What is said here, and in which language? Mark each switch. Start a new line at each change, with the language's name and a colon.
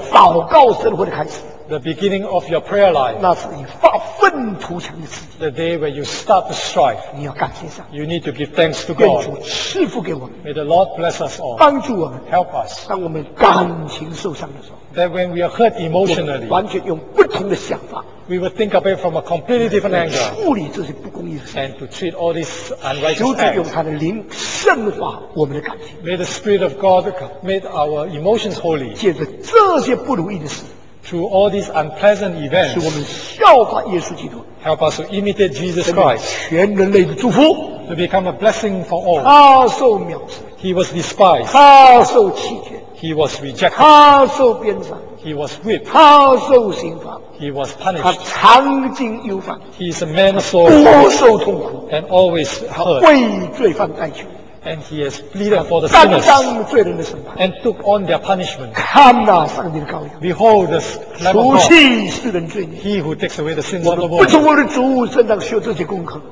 Chinese: 那是你祷告生活的开始
English: the beginning of your prayer life.
Chinese: 那是你发愤图强的时
English: 机 the day where you start to strive.
Chinese: 你要感谢上
English: you need to give thanks to God.
Chinese: 愿主赐福给我们
English: may the Lord bless us all.
Chinese: 帮助我们
English: help us.
Chinese: 当我们感情受伤的时候
English: that when we are hurt emotionally.
Chinese: 完全用不同的想法
English: We will think of it from a completely different angle.
Chinese: 处理这些不公义的事
English: and to treat all these unrighteous acts.
Chinese: 求主用他的灵圣化我们的感情
English: May the Spirit of God make our emotions holy.
Chinese: 借着这些不如意的事
English: through all these unpleasant events.
Chinese: 使我们效法耶稣基督
English: help us to imitate Jesus Christ.
Chinese: 全人类的祝福
English: to become a blessing for all.
Chinese: 他受藐视
English: He was despised.
Chinese: 他受弃绝
English: He was rejected.
Chinese: 他受鞭伤
English: He was whipped.
Chinese: 他受刑罚
English: He was punished.
Chinese: 他常经忧患。
English: He is a man of sorrow.
Chinese: 多受痛苦。
English: And always hurt.
Chinese: 为罪犯代求。
English: And he has pleaded for the sinners.
Chinese: 担当罪人的审判。
English: And took on their punishment.
Chinese: 看那上帝的羔羊。
English: Behold the Lamb of God.
Chinese: 除去世人罪孽。
English: He who takes away the sins of the world.
Chinese: 不从我的主身上学这些功课。